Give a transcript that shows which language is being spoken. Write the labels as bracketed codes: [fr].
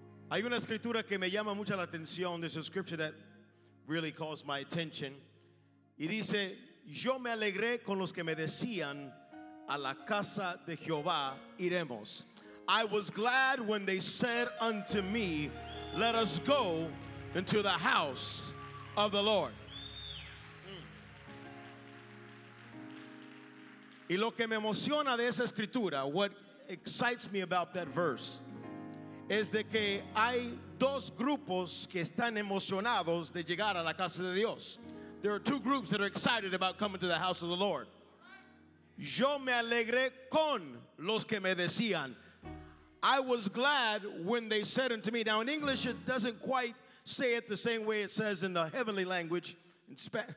[es] Hay una escritura que me llama mucho la atención. [en] There's a scripture that really calls my attention. [es] Y dice, yo me alegré con los que me decían, a la casa de Jehová iremos. [en] I was glad when they said unto me, let us go into the house of the Lord. [es] Y lo que me emociona de esa escritura, [en] what excites me about that verse, [es] es de que hay dos grupos que están emocionados de llegar a la casa de Dios. [en] There are two groups that are excited about coming to the house of the Lord. [es] Yo me alegré con los que me decían. [en] I was glad when they said unto me. Now in English it doesn't quite say it the same way it says in the heavenly language. In Spanish.